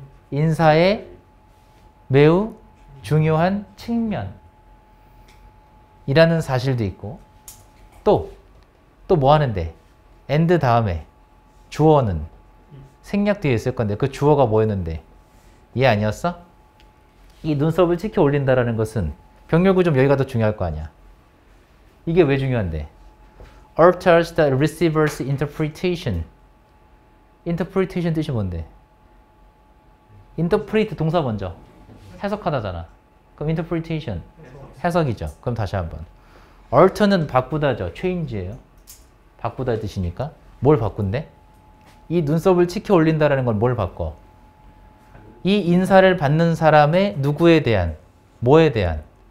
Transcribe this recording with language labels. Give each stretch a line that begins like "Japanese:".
Korean: 인사에 매우 중요한 측면이라는 사실도 있고 또 뭐 하는데? and 다음에 주어는 생략 뒤에 있을 건데 그 주어가 뭐였는데? 얘 아니었어? 이 눈썹을 치켜 올린다라는 것은 병렬구 좀 여기가 더 중요할 거 아니야. 이게 왜 중요한데?
English: alters the receiver's interpretation.
Korean: interpretation 뜻이 뭔데? interpret 동사 먼저. 해석하다잖아. 그럼 interpretation. 해석이죠. 그럼 다시 한번. alter는 바꾸다죠. change예요. 바꾸다 뜻이니까. 뭘 바꾼대? 이 눈썹을 치켜 올린다라는 건 뭘 바꿔? 이 인사를 받는 사람의 누구에 대한? 뭐에 대한?